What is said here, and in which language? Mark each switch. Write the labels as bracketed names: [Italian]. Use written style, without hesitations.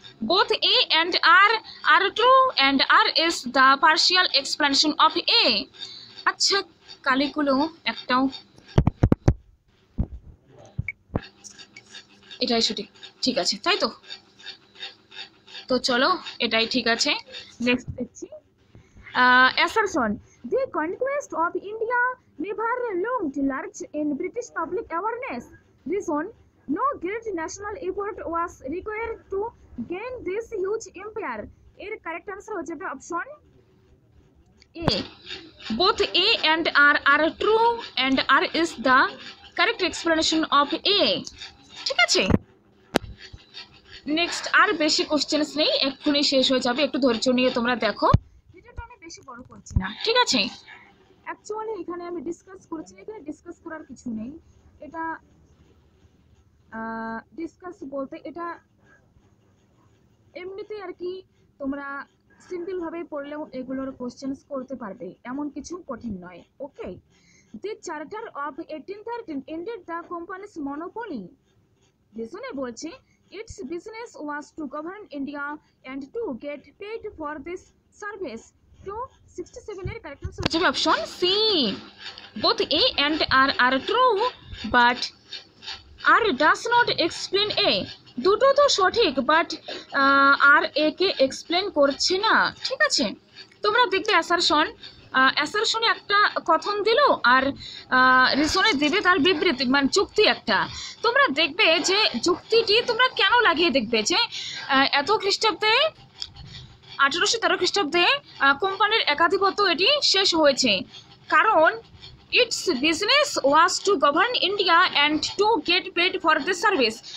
[English] Both A and R are true and R is the partial explanation of A. [Bangla] আচ্ছা কালিগুলো একটাও এটাই সঠিক, ঠিক আছে তাই তো, তো চলো এটাই ঠিক আছে। নেক্সট দেখছি assertion, [English] the conquest of India never loomed large in British public awareness. Reason, no great national effort was required to gain this huge empire. Er correct answer hoche ta option A. Both A and R are true and R is the correct explanation of A. [Bangla] ঠিক আছে, next আর বেশি questions নেই, এক্ষুনি শেষ হয়ে যাবে, একটু ধৈর্য নিয়ে তোমরা দেখো। ভিডিওটা আমি বেশি বড় করছি না, ঠিক আছে? অ্যাকচুয়ালি এখানে আমি ডিসকাস করছি, এখানে ডিসকাস করার কিছু নেই, এটা ডিসকাস বলতে এটা এমনিতেই আর কি তোমরা সিম্পল ভাবে পড়লেও এগুলোর কোশ্চেন্স করতে পারবে, এমন কিছু কঠিন নয়। [English] Okay, the charter of 1813 ended the company's monopoly. [Bangla] রিজনে বলছে, [English] its business was to govern India and to get paid for this service. 267 এর correct answer [Bangla] হচ্ছে option C. [English] Both A and R are true, but R does not explain A. [Bangla] দুটো তো সঠিক, but R A K explain করছে না, ঠিক আছে? তোমরা দেখবে অ্যাসারশন, অ্যাসারশনে একটা কথন দিল আর রিজনে দিবে তার বিবৃতি, মানে চুক্তি একটা। তোমরা দেখবে যে চুক্তিটি তোমরা কেন লাগিয়ে দেখবে যে এত খ্রিস্টাব্দে 1813 খ্রিস্টাব্দে কোম্পানির একাধিপত্য এটি শেষ হয়েছে, কারণ [English] Its business was to govern India and to get paid for this service.